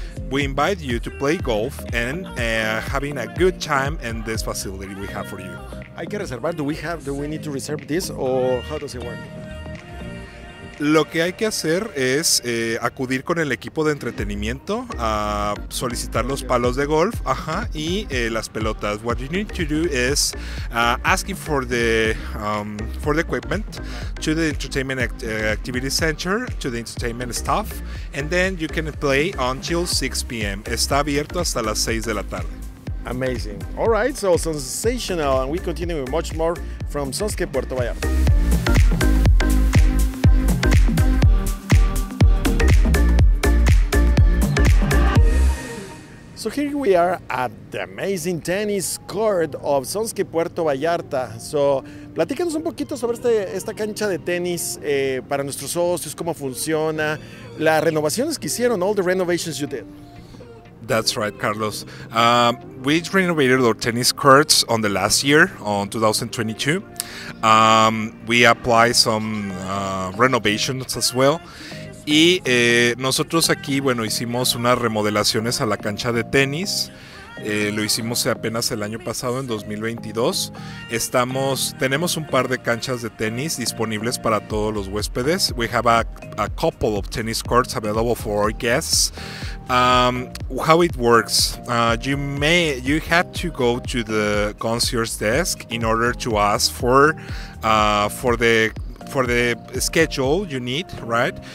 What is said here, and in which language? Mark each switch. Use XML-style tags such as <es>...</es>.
<en>We invite you to play golf and having a good time in this facility we have for you.</en> <es>Hay que reservar.</es> <en>Do we need to reserve this, or how does it work?</en> <es>Lo que hay que hacer es acudir con el equipo de entretenimiento a solicitar los palos de golf, ajá, y las pelotas.</es> <en>What you need to do is asking for the equipment to the entertainment activity center, to the entertainment staff, and then you can play until 6 p.m.</en> <es>Está abierto hasta las 6 de la tarde.</es> <en>Amazing. All right, so sensational, and we continue with much more from Sonske Puerto Vallarta. So here we are at the amazing tennis court of Sonske Puerto Vallarta.</en> <es>So, platícanos un poquito sobre esta cancha de tenis para nuestros socios, cómo funciona, las renovaciones que hicieron,</es> <en>all the renovations you did. That's right, Carlos. We renovated our tennis courts on the last year, on 2022. We applied some renovations as well.</en> <es>Y nosotros aquí, bueno, hicimos unas remodelaciones a la cancha de tenis. Lo hicimos apenas el año pasado, en 2022. Tenemos un par de canchas de tenis disponibles para todos los huéspedes.</es> <en>We have a couple of tennis courts available for our guests. How it works, you have to go to the concierge desk in order to ask for the schedule you need, right?</en>